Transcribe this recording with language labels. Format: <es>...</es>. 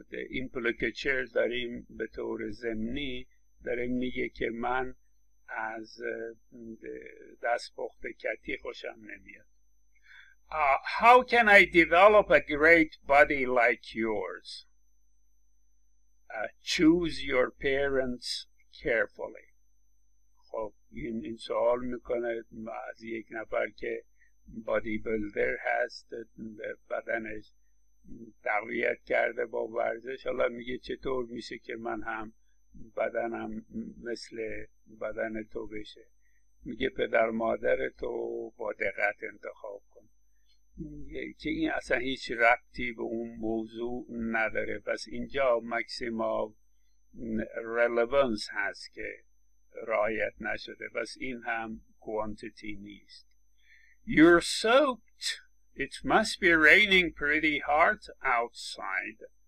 <fa>ایمپلیکیچر داریم به طور ضمنی. داره میگه که من از دست پخته کتی خوشم نمیاد.</fa> <en>How can I develop a great body like yours? Choose your parents carefully.</en> <fa>خب این سوال میکنه از یک نفر که بادی بیلدر هست، بدنش تقویت کرده با ورزش. حالا میگه چطور میشه که من هم بدنم مثل بدن تو بشه. میگه پدر مادر تو با دقت انتخاب کن. که این اصلا هیچ ربطی به اون موضوع نداره. پس اینجا ماکسیم آف ریلیونس هست که رعایت نشده. پس این هم کوانتیتی نیست.</fa> <en>You're soaked. It must be raining pretty hard outside.</en>